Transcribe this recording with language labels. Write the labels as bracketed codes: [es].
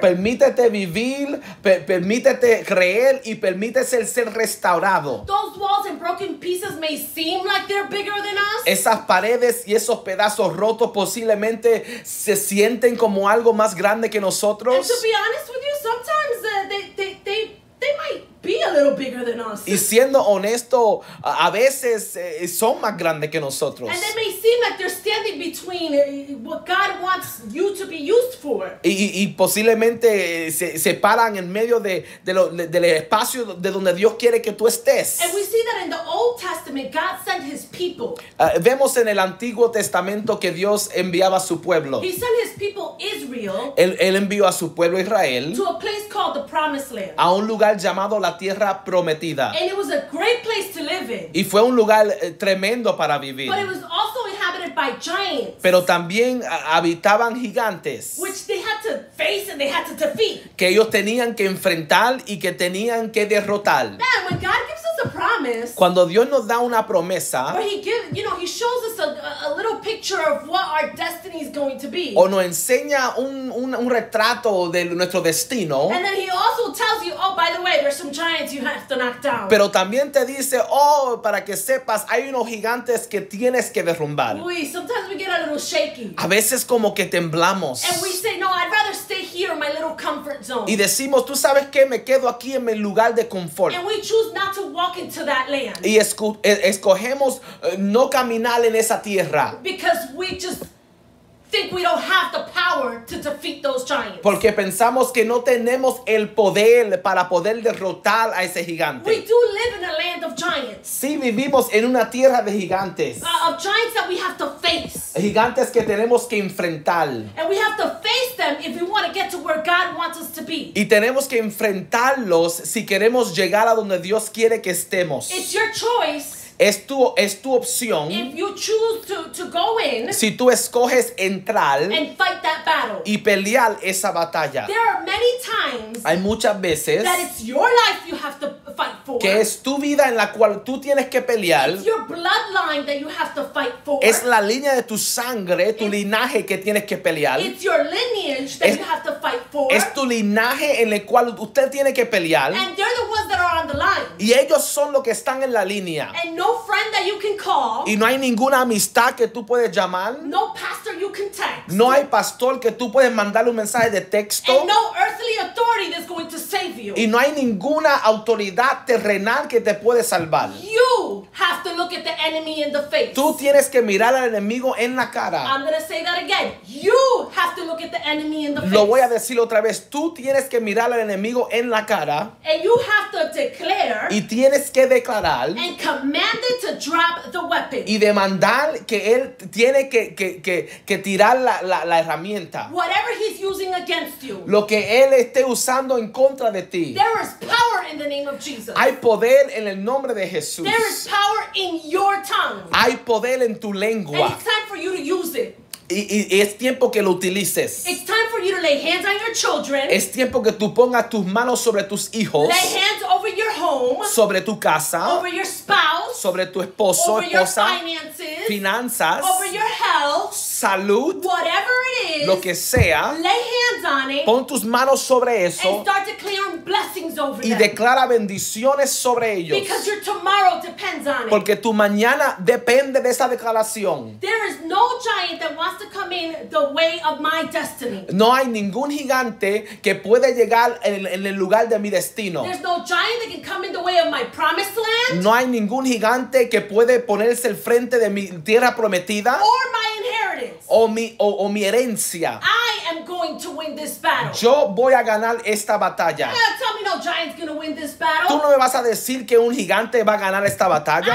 [es] Permítete vivir, permítete creer, y permítese ser restaurado. [en] Those walls and broken pieces may seem like they're bigger than us. [es] Esas paredes y esos pedazos rotos posiblemente se sienten como algo más grande que nosotros. [en] And to be honest with you, sometimes they might be a little bigger than us. [es] Y siendo honesto, a veces son más grandes que nosotros. [en] And they may seem like they're standing between what God wants you to be used for. [es] Y posiblemente se paran en medio del espacio de donde Dios quiere que tú estés. [en] And we see that in the Old Testament, God sent his people. [es] Vemos en el Antiguo Testamento que Dios enviaba a su pueblo. [en] He sent his people Israel. [es] Él envió a su pueblo Israel. [en] To a place called the Promised Land. [es] A un lugar llamado la tierra prometida. [en] And it was a great place to live in. [es] Y fue un lugar tremendo para vivir. [en] But it was also inhabited by giants. [es] Pero también habitaban gigantes. [en] Which they had to face and they had to defeat. [es] Que ellos tenían que enfrentar y que tenían que derrotar. [en] Man, when God gives us a promise, [es] cuando Dios nos da una promesa, [en] or he gives, you know, he shows us a little picture of what our destiny is going to be. [es] O nos enseña un retrato de nuestro destino. [en] And then he also tells you, oh, by the way, there's some giants you have to knock down. [es] Pero también te dice, oh, para que sepas, hay unos gigantes que tienes que derrumbar. [en] Uy, sometimes we get a little shaky. [es] A veces como que temblamos. [en] And we say, no, I'd rather stay here in my little comfort zone. [es] Y decimos, tú sabes qué, me quedo aquí en mi lugar de confort. [en] And we choose not to walk into that land. [es] Y escogemos no caminar en esa tierra. [en] Because we just think we don't have the power to defeat those giants. [es] Porque pensamos que no tenemos el poder para poder derrotar a ese gigante. [en] We do live in a land of giants. [es] Sí, vivimos en una tierra de gigantes. [en] Of giants that we have to face. [es] Gigantes que tenemos que enfrentar. [en] And we have to face them if we want to get to where God wants us to be. [es] Y tenemos que enfrentarlos si queremos llegar a donde Dios quiere que estemos. [en] It's your choice. [es] Es tu opción. [en] If you choose to go in, [es] si tú escoges entrar [en] and fight that battle, [es] y pelear esa batalla. [en] There are many times, [es] hay muchas veces, [en] that it's your life you have to fight for, [es] que es tu vida en la cual tú tienes que pelear. [en] It's your bloodline that you have to fight for, [es] es la línea de tu sangre, tu linaje que tienes que pelear. [en] It's your lineage that you have to fight for, [es] es tu linaje en el cual usted tiene que pelear. [en] And they're the ones that are on the line. [es] Y ellos son los que están en la línea. [en] No friend that you can call. [es] Y no hay ninguna amistad que tú puedes llamar. [en] No pastor you can text. [es] No hay pastor que tú puedes mandarle un mensaje de texto. [en] And no earthly authority that's going to save you. [es] Y no hay ninguna autoridad terrenal que te puede salvar. [en] You have to look at the enemy in the face. [es] Tú tienes que mirar al enemigo en la cara. [en] I'm going to say that again. You have to look at the enemy in the face. [es] Lo voy a decir otra vez. Tú tienes que mirar al enemigo en la cara. [en] And you have to declare. [es] Y tienes que declarar. [en] And command. To drop the weapon. [es] Y demandar que él tiene que tirar la herramienta. [en] Whatever he's using against you. [es] Lo que él esté usando en contra de ti. [en] There is power in the name of Jesus. [es] Hay poder en el nombre de Jesús. [en] There is power in your tongue. [es] Hay poder en tu lengua. [en] And it's time for you to use it. [es] Y es tiempo que lo utilices. [en] It's time for you to lay hands on your children. [es] Es tiempo que tú pongas tus manos sobre tus hijos. [en] Lay hands over your home. [es] Sobre tu casa. [en] Over your spouse. [es] Sobre tu esposo, [en] over [es] esposa. [en] Your finances. [es] Finanzas. [en] Over your health. [es] Salud. [en] Whatever it is. [es] Lo que sea. [en] Lay hands on it. [es] Pon tus manos sobre eso. [en] And start declaring blessings over [es] y [en] them. [es] Declara bendiciones sobre ellos. [en] Because your tomorrow depends on it. [es] Porque tu mañana depende de esa declaración. [en] There is no giant that wants to come in the way of my destiny. [es] No hay ningún gigante que puede llegar en el lugar de mi destino. [en] There's no giant that can come in the way of my promised land. [es] No hay ningún gigante que puede ponerse al frente de mi tierra prometida. [en] Or my inheritance. [es] O mi herencia. [en] I am going to win. win this battle. [es] Yo voy a ganar esta batalla. [en] Tell me no giant's gonna win this battle. [es] Tú no me vas a decir que un gigante va a ganar esta batalla.